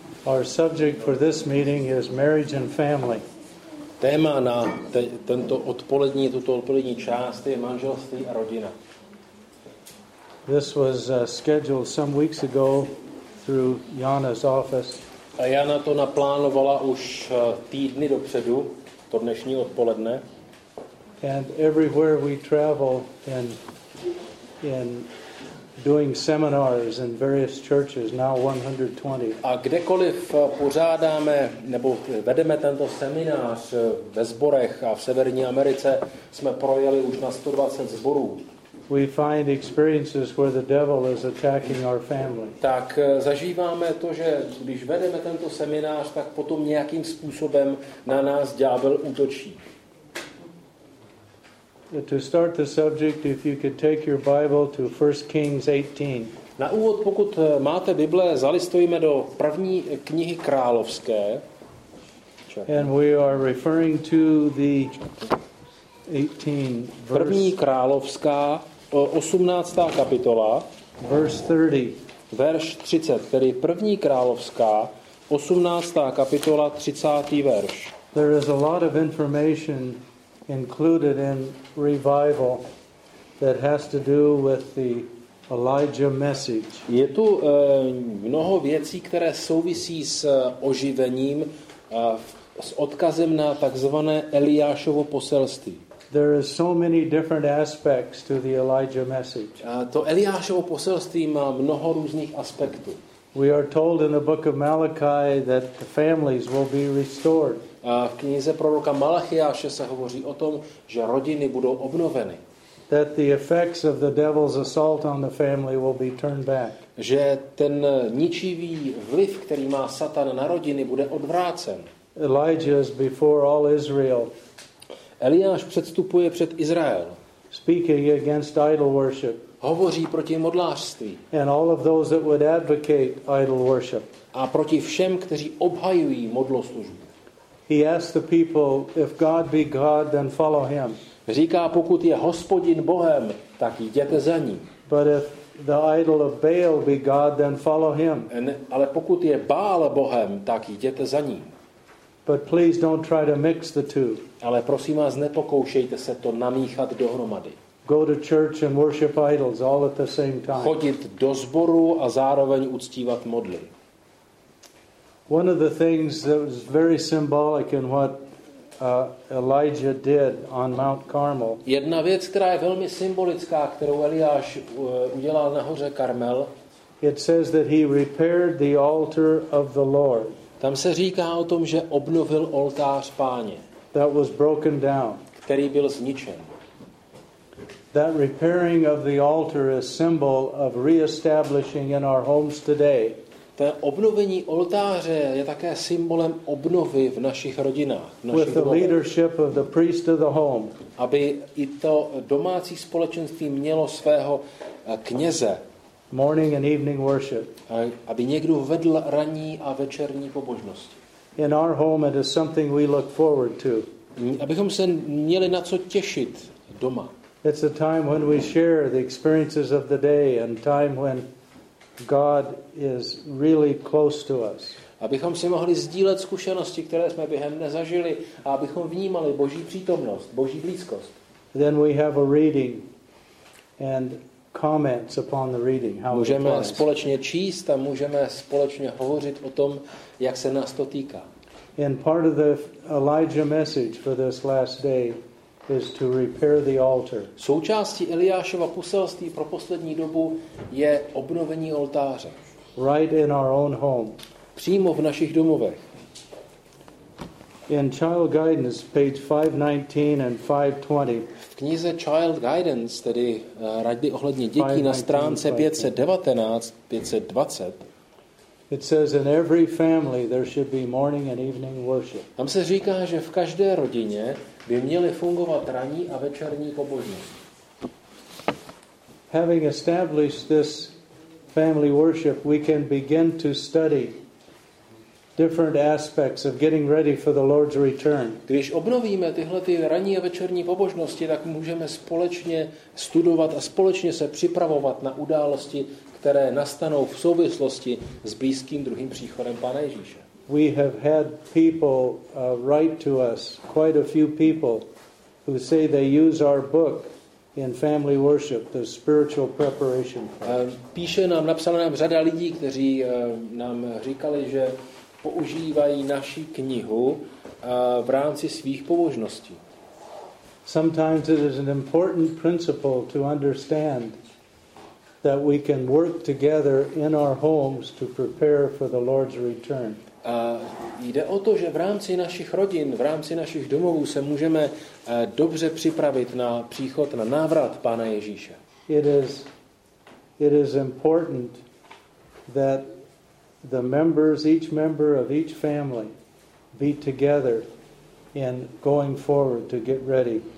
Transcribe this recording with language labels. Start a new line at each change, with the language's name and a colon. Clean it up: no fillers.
English: Our subject for this meeting is marriage and family.
Czech: Téma na tento odpolední, tuto odpolední část je manželství a rodina.
English: This was scheduled some weeks ago through Jana's office.
Czech: A Jana to naplánovala už týdny dopředu, to dnešní odpoledne.
English: And everywhere we travel in doing seminars in various churches now 120.
Czech: A kdekoliv pořádáme nebo vedeme tento seminář ve zborech a v Severní Americe, jsme projeli už na 120 zborů.
English: We find experiences where the devil is attacking our family.
Czech: Tak zažíváme to, že když vedeme tento seminář, tak potom nějakým způsobem na nás ďábel útočí.
English: To start the subject, if you could take your Bible to 1 Kings 18.
Czech: Na úvod, pokud máte Bible, zalistujeme do první knihy královské.
English: And we are referring to the 18 verse.
Czech: První královská, 18. kapitola.
English: Verse 30.
Czech: Verš 30, tedy první královská, 18. kapitola, 30. verš.
English: There is a lot of information included in revival that has to do with the Elijah message.
Czech: Je tu mnoho věcí, které souvisí s oživením a s odkazem na takzvané Eliášovo poselství.
English: There is so many different aspects to the Elijah message.
Czech: To Eliášovo poselství má mnoho různých aspektů.
English: We are told in the book of Malachi that the families will be restored.
Czech: A v knize proroka Malachiáše se hovoří o tom, že rodiny budou obnoveny.
English: That the effects of the devil's assault on the family will be turned back.
Czech: Že ten ničivý vliv, který má Satan na rodiny, bude odvrácen.
English: Elijah is before all Israel.
Czech: Eliáš předstupuje před Izrael.
English: Speaking against idol worship.
Czech: Hovoří proti modlářství.
English: And all of those that would advocate idol worship.
Czech: A proti všem, kteří obhajují modloslužbu.
English: He asked the people, if God be God, then follow him.
Czech: Říká, pokud je Hospodin Bohem, tak jděte za ním.
English: But if the idol of Baal be God, then follow him.
Czech: Ale pokud je Baal Bohem, tak jděte za ním.
English: But please don't try to mix the two.
Czech: Ale prosím vás, nepokoušejte se to namíchat dohromady.
English: Go to church and worship idols all at the same time.
Czech: Chodit do sboru a zároveň uctívat modly.
English: One of the things that was very symbolic in what Elijah did on Mount Carmel.
Czech: Jedna věc, která je velmi symbolická, kterou Eliáš udělal na hoře Karmel.
English: It says that he repaired the altar of the Lord.
Czech: Tam se říká o tom, že obnovil oltář Páně.
English: That was broken down.
Czech: Který byl zničen.
English: That repairing of the altar is symbol of reestablishing in our homes today.
Czech: To obnovení oltáře je také symbolem obnovy v našich rodinách, v našich
English: With the leadership of the priest of the home.
Czech: Aby i to domácí společenství mělo svého kněze.
English: Morning and evening worship.
Czech: Aby někdo vedl ranní a večerní pobožnosti.
English: In our home it is something we look forward to.
Czech: Abychom se měli na co těšit doma.
English: It's a time when we share the experiences of the day and time when God is really close to us.
Czech: Abychom si mohli sdílet zkušenosti, které jsme během dne zažili, a abychom vnímali Boží přítomnost, Boží blízkost.
English: Then we have a reading and comments upon the reading.
Czech: How můžeme společně číst a můžeme společně hovořit o tom, jak se nás to týká.
English: And part of the Elijah message for this last day is to repair the altar.
Czech: Součástí Eliášova poselství pro poslední dobu je obnovení oltáře.
English: Right in our own home.
Czech: Přímo v našich domovech.
English: In Child Guidance, page 519 and 520.
Czech: V knize Child Guidance, tedy rady ohledně dětí, na stránce 519-520,
English: it says in every family there should be morning and evening worship.
Czech: Tam se říká, že v každé rodině by měly fungovat ranní a večerní pobožnosti.
English: Having established this family worship, we can begin to study different aspects of getting ready for the Lord's return.
Czech: Když obnovíme tyhle ty ranní a večerní pobožnosti, tak můžeme společně studovat a společně se připravovat na události, které nastanou v souvislosti s blízkým druhým příchodem Pána Ježíše.
English: We have had people write to us, quite a few people who say they use our book in family worship, the spiritual preparation.
Czech: Píše nám, napsala nám řada lidí, kteří nám říkali, že používají naši knihu v rámci svých pobožností.
English: Sometimes it is an important principle to understand that we can work together in our homes to prepare for the Lord's return.
Czech: Jde o to, že v rámci našich rodin, v rámci našich domovů se můžeme dobře připravit na příchod, na návrat Pána Ježíše.
English: It is important that the members, each member of each family be together in going forward to get ready.